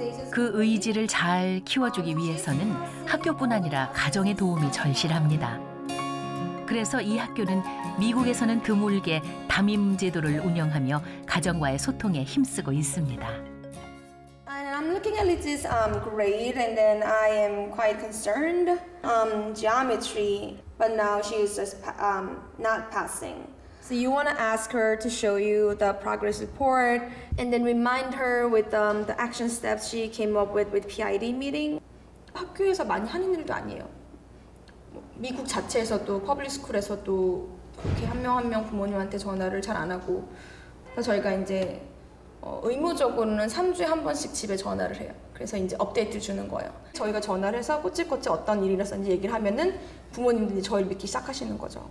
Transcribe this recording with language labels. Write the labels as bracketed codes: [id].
[ko] 그 의지를 잘 키워주기 위해서는 학교뿐 아니라 가정의 도움이 절실합니다. 그래서 이 학교는 미국에서는 드물게 담임 제도를 운영하며 가정과의 소통에 힘쓰고 있습니다. [en] I'm looking at Liz's grade and then I am quite concerned geometry, but now she is just not passing. So you want to ask her to show you the progress report and then remind her with the action steps she came up with PID meeting. [ko] 학교에서 많이 하는 일도 아니에요. 미국 자체에서도 퍼블릭 스쿨에서도 그렇게 한 명 한 명 부모님한테 전화를 잘 안 하고 그래서 저희가 이제 의무적으로는 3주에 한 번씩 집에 전화를 해요. 그래서 이제 업데이트 주는 거예요. 저희가 전화를 해서 꼬치꼬치 어떤 일이 일어났는지 얘기를 하면은 부모님들이 저희를 믿기 시작하시는 거죠.